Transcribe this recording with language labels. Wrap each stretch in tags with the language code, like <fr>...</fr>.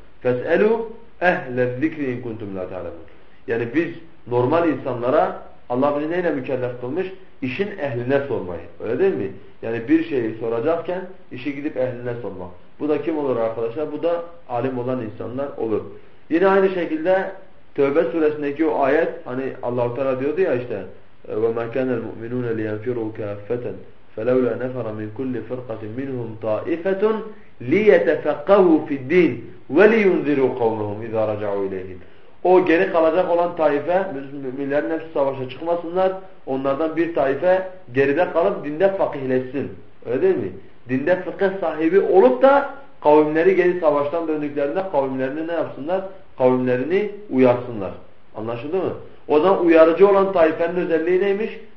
<ar>فَسْأَلُوا اَهْلَ الذِّكْرِ اِنْ كُنْتُمْ لَا تَعْلَمُونَ.</ar> <tr>Yani biz normal insanlara Allah bizi neyle mükellef kılmış? İşin ehline sormayı. Öyle değil mi? Yani bir şeyi soracakken işi gidip ehline sormak. Bu da kim olur arkadaşlar? Bu da alim olan insanlar olur. Yine aynı şekilde Tövbe suresindeki o ayet, hani Allah-u Teala diyordu ya işte</tr> <ar>وَمَا كَانَ الْمُؤْمِنُونَ لِيَنْفِرُوا كَافَّةً فَلَوْلَا نَفَرَ مِنْ كُلِّ فِرْقَةٍ مِنْهُمْ طَائِفَةٌ لِيَتَفَقَّهُوا فِي الدِّينِ وَلِيُنْذِرُوا قَوْمَهُمْ اِذَا رَجَعُوا إِلَيْهِمْ.</ar> <tr>O geri kalacak olan taife, müminlerin hepsi savaşa çıkmasınlar, onlardan bir taife geride kalıp dinde fakihleşsin. Öyle değil mi? Dinde fıkıh sahibi olup da kavimleri geri savaştan döndüklerinde kavimlerini ne yapsınlar? Kavimlerini uyarsınlar. Anlaşıldı mı? O zaman uyarıcı olan taifenin özelliği neymiş?</tr>